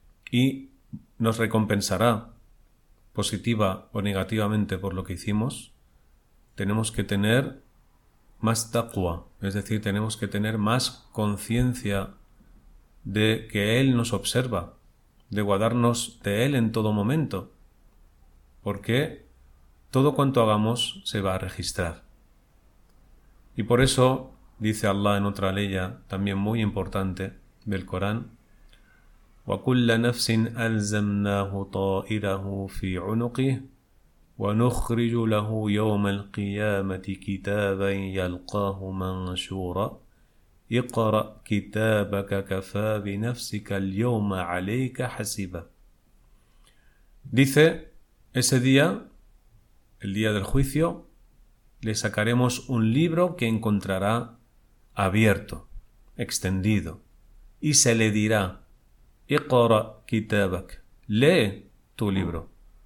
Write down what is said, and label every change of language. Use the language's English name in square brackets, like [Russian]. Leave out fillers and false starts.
[Spanish] y nos recompensará positiva o negativamente por lo que hicimos, tenemos que tener más taqwa, es decir, tenemos que tener más conciencia de que Él nos observa, de guardarnos de Él en todo momento, porque todo cuanto hagamos se va a registrar. Y por eso dice Allah en otra ley también muy importante del Corán: [Arabic] وَكُلَّ نَفْسٍ أَلْزَمْنَاهُ طَائِرَهُ فِي عُنُقِهِ وَنُخْرِجُ لَهُ يَوْمَ الْقِيَامَةِ كِتَابًا يَلْقَاهُ مَنْشُورًا اقْرَأْ كِتَابَكَ كَفَى بِنَفْسِكَ الْيَوْمَ عَلَيْكَ حَسِبًا. [Spanish] Dice: ese día, el día del juicio, le sacaremos un libro que encontrará abierto, extendido, y se le dirá: [Arabic] اقْرَأْ كِتَابَكَ, [Spanish] lee tu libro.